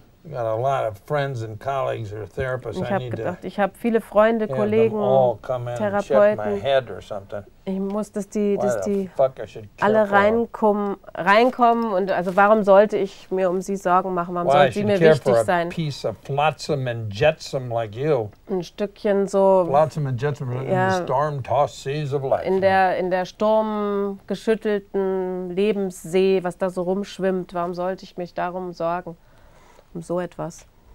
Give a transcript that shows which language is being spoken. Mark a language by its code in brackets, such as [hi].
[en] got a lot of friends and colleagues or therapists. [de] Ich habe gedacht, ich habe viele Freunde, Kollegen, Therapeuten. Ich muss, dass die alle reinkommen und also warum sollte ich mir um sie Sorgen machen? Warum sollte sie mir wichtig sein? [en] Piece of flotsam and jetsam like you. [de] Ein Stückchen so [en] flotsam and jetsam in the storm-tossed seas of life. [de] In der sturmgeschüttelten Lebenssee, was da so rumschwimmt, warum sollte ich mich darum sorgen? So etwas.